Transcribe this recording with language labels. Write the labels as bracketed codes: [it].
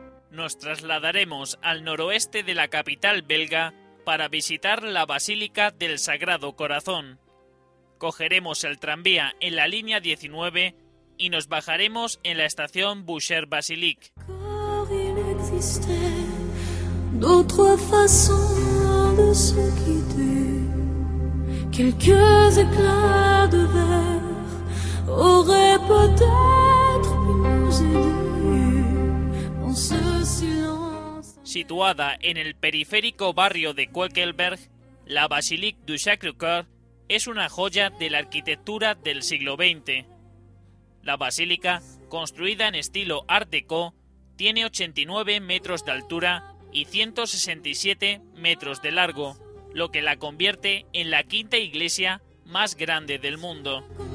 [es] Nos trasladaremos al noroeste de la capital belga para visitar la Basílica del Sagrado Corazón. Cogeremos el tranvía en la línea 19 y nos bajaremos en la estación Boucher Basilique. [fr] Il existait d'autres façons de se quitter. Quelques éclats de verre auraient peut-être pu nous aider. On se [es] Situada en el periférico barrio de Quekelberg, la Basilique du Sacré-Cœur es una joya de la arquitectura del siglo XX. La basílica, construida en estilo Art Deco, tiene 89 metros de altura y 167 metros de largo, lo que la convierte en la quinta iglesia más grande del mundo.